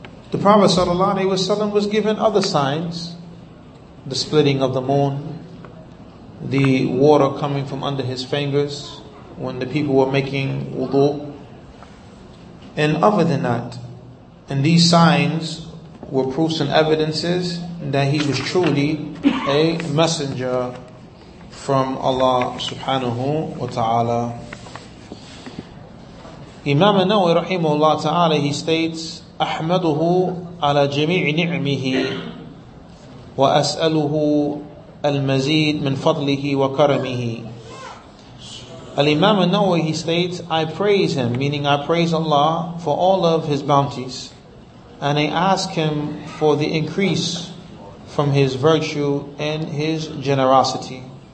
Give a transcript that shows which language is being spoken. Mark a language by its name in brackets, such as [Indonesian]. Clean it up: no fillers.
[English] The Prophet sallallahu alaihi wasallam was given other signs, the splitting of the moon, the water coming from under his fingers when the people were making wudu, and other than that. And these signs were proofs and evidences that he was truly a messenger from Allah subhanahu wa ta'ala. Imam An-Nawawi rahimahullah ta'ala, he states, [Arabic] أَحْمَدُهُ عَلَى جَمِيعِ نِعْمِهِ وَأَسْأَلُهُ الْمَزِيدِ مِنْ فَضْلِهِ وَكَرَمِهِ. [English] Al-Imam An-Nawawi, he states, I praise him, meaning I praise Allah for all of his bounties, and I ask him for the increase from his virtue and his generosity.